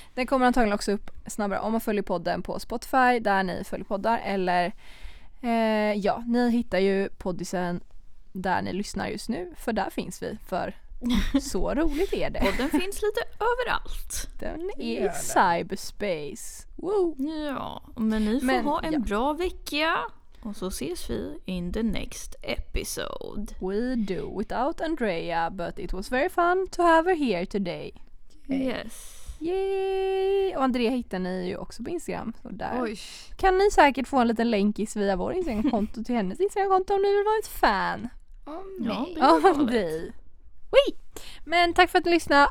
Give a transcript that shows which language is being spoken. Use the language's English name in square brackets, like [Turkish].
[Swedish] Den kommer antagligen också upp snabbare om man följer podden på Spotify, där ni följer poddar, eller ja, ni hittar ju poddisen där ni lyssnar just nu, för där finns vi, för så roligt är det. Och den finns lite överallt. Den är i cyberspace. Wow. Ja, men ni får ha en bra vecka. Och så ses vi [English] in the next episode. We do without Andrea, but it was very fun to have her here today. Okay. Yes. [Swedish] Yay! Och Andrea hittar ni ju också på Instagram. Så där. Kan ni säkert få en liten länkis via vår Instagram-konto till hennes Instagram-konto om ni vill vara ett fan. Om ja, dig. Men tack för att ni lyssnade.